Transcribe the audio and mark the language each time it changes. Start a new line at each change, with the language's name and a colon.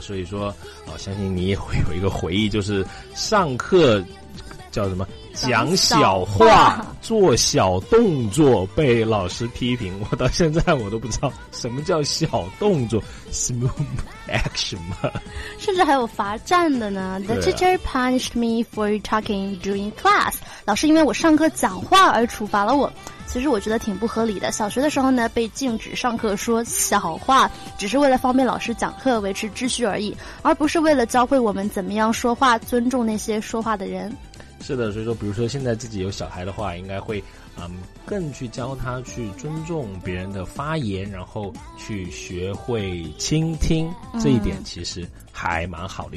Chinese: 所以说相信你也会有一个回忆，就是上课叫什么讲小话做小动作被老师批评，我到现在我都不知道什么叫小动作
English: smooth action
Chinese: 吗？甚至还有罚站的呢。
English: The teacher punished me for talking during class，
Chinese: 老师因为我上课讲话而处罚了我。其实我觉得挺不合理的，小学的时候呢被禁止上课说小话，只是为了方便老师讲课维持秩序而已，而不是为了教会我们怎么样说话尊重那些说话的人。是的，所以说比如说现在自己有小孩的话应该会更去教他去尊重别人的发言，然后去学会倾听，这一点其实还蛮好的。